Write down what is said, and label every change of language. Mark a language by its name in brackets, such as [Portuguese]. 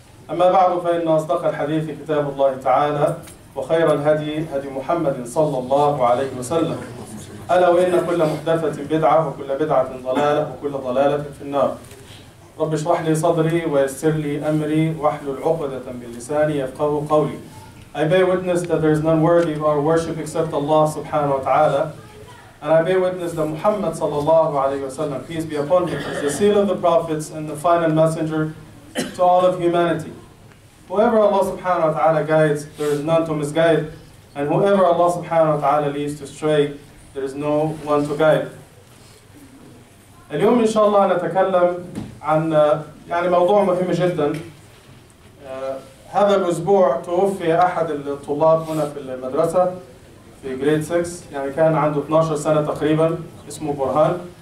[Arabic] أما بعد، فإن أصدق الحديث كتاب الله تعالى، وخير الهدي هدي محمد صلى الله عليه وسلم، ألا وإن كل محدثة بدعة، وكل بدعة ضلالة، وكل ضلالة في النار. رب اشرح لي صدري ويسر لي أمري واحلل عقدة من لساني يفقه قولي. [English] I bear witness that there is none worthy of our worship except Allah subhanahu wa ta'ala. And I bear witness that Muhammad sallallahu alayhi wa sallam, peace be upon him, is the seal of the prophets and the final messenger to all of humanity. Whoever Allah subhanahu wa ta'ala guides, there is none to misguide. And whoever Allah subhanahu wa ta'ala leads to stray, there is no one to guide. [Arabic] اليوم إن شاء الله نتكلم عن يعني موضوع مهم جدا. هذا الأسبوع توفي أحد الطلاب هنا في المدرسة في grade 6، يعني كان عنده 12 سنة تقريبا، اسمه برهان.